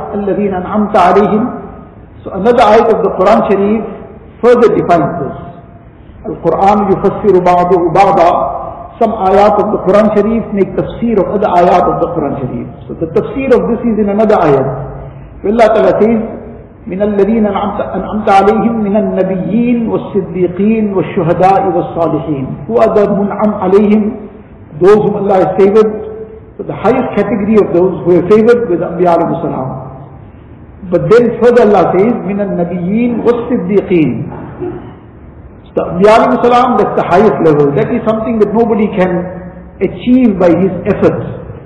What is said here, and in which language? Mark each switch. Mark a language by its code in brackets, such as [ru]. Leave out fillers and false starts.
[ar] الذين أنعمت عليهم. [en] So another ayat of the Quran Sharif further defines this. [ar] Al-Quran yufassiru ba'duhu ba'da. [en] Some ayat of the Quran Sharif make tafsir of other ayat of the Quran Sharif. So the tafsir of this is in another ayat. Allah Ta'ala says, [ar] من الذين أنعمت عليهم من النبيين والصديقين والشهداء والصالحين. [en] Who are the munam alayhim? Those whom Allah has favored. So the highest category of those who are favored with Anbiya alayhi salam. But then further Allah says, [ar] من النبيين والصديقين. [en] So the Anbiya alayhi salam, that's the highest level. That is something that nobody can achieve by his efforts.